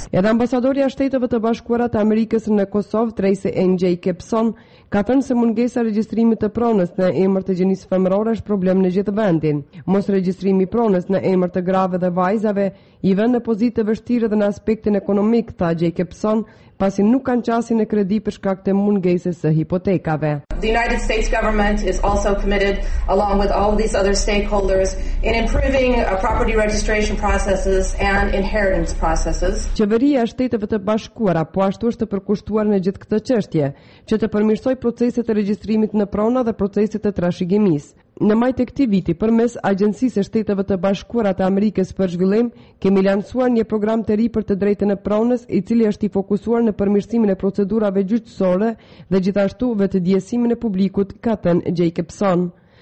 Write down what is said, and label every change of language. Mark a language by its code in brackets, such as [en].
[sq] Edhe ambasadori i Shteteve të Bashkuara të Amerikës në Kosovë, Tracy NJ Kepson, ka thënë se mungesa e regjistrimit të pronës në emër të gjinisë femërore është problem në gjithë vendin. Mos regjistrimi i pronës në emër të grave dhe vajzave i vën në pozitë të vështirë edhe në aspektin ekonomik, tha Jacobson, pasi nuk kanë qasjen e kredit për shkak të mungesës së hipotekave. [en] The United States government is also committed along with all these other stakeholders in improving property registration processes and inheritance processes. [sq] Qeveria e Shteteve të Bashkuara po ashtu është përkushtuar në gjithë këtë çështje, që të përmirësoj proceset e regjistrimit në prona dhe proceset e trashëgimisë. Në majtë e këti viti, përmes Agjencisë e Shteteve të Bashkuara të Amerikës për zhvillim, kemi lansuar një program të ri për të drejtën e pronës, i cili është i fokusuar në përmirësimin e procedurave gjyqësore dhe gjithashtu vetëdijesimin e publikut, ka thënë Jacobson.